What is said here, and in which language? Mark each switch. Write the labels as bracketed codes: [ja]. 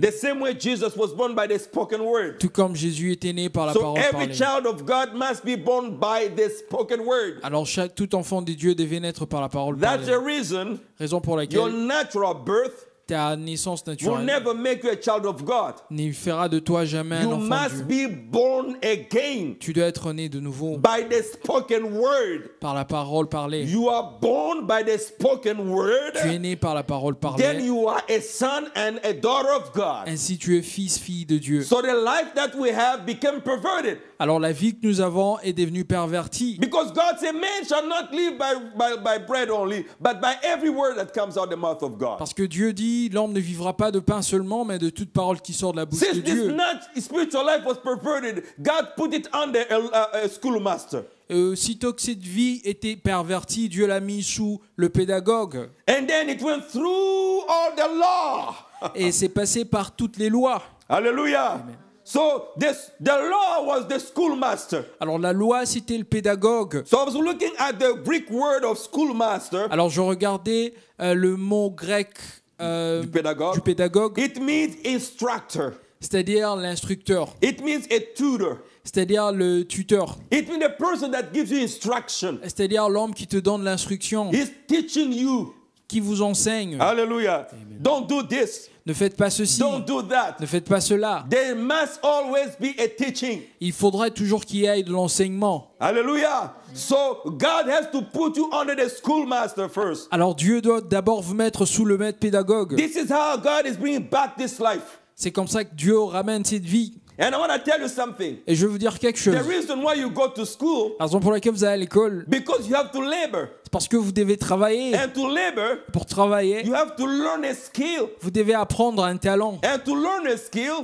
[en] The same way Jesus was born by the spoken word. [fr] Tout comme Jésus était né par la [en] so [fr] parole [en] every [fr] parlée. [en] Child of God must be born by the spoken word. [fr] Alors tout enfant de Dieu devait naître par la parole [en] That's The reason, [fr] raison pour laquelle [en] your natural birth, [fr] ta naissance naturelle [en] will never make you a child of God. [fr] Ne fera de toi jamais [en] you [fr] un enfant [en] must [fr] de Dieu. [en] Be born again [fr] tu dois être né de nouveau [en] by the spoken word. [fr] Par la parole parlée. [en] You are born by the spoken word. [fr] Tu es né par la parole parlée. [en] Then you are a son and a daughter of God. [fr] Ainsi tu es fils, fille de Dieu. [en] So the life that we have became perverted. [fr] Alors la vie que nous avons est devenue pervertie. [en] Because God said, man shall not live by bread only, but by every word that comes out the mouth of God. [fr] Parce que Dieu dit, l'homme ne vivra pas de pain seulement, mais de toute parole qui sort de la bouche [en] Since [fr] de Dieu. [en] Since this spiritual life was perverted, God put it under a schoolmaster. [fr] Aussitôt que cette vie était pervertie, Dieu l'a mis sous le pédagogue. [en] And then it went through all the law. [fr] Et c'est passé par toutes les lois. [en] Alléluia. So this the law was the schoolmaster. [fr] Alors la loi c'était le pédagogue. [en] So I was looking at the Greek word of schoolmaster. [fr] Alors je regardais le mot grec du pédagogue. [en] It means instructor. [fr] C'est-à-dire l'instructeur. [en] It means a tutor. [fr] C'est-à-dire le tuteur. [en] It means the person that gives you instruction. [fr] C'est-à-dire l'homme qui te donne l'instruction. [en] He's teaching you. [fr] Qui vous enseigne. [en] Alléluia. Don't do this. [fr] Ne faites pas ceci. [en] Don't do that. [fr] Ne faites pas cela. [en] There must always be a teaching. [fr] Il faudrait toujours qu'il y ait de l'enseignement. Alléluia. [en] So God has to put you under the schoolmaster first. [fr] Alors Dieu doit d'abord vous mettre sous le maître pédagogue. [en] This is how God is bringing back this life. [fr] C'est comme ça que Dieu ramène cette vie. [en] And I want to tell you something. [fr] Et je veux vous dire quelque chose. [en] The reason why you go to school. [fr] La raison pour laquelle vous allez à l'école. [en] Because you have to labor. [fr] Parce que vous devez travailler. [en] And to labor, [fr] pour travailler, [en] you have to learn a skill. [fr] Vous devez apprendre un talent. [en] And to learn a skill,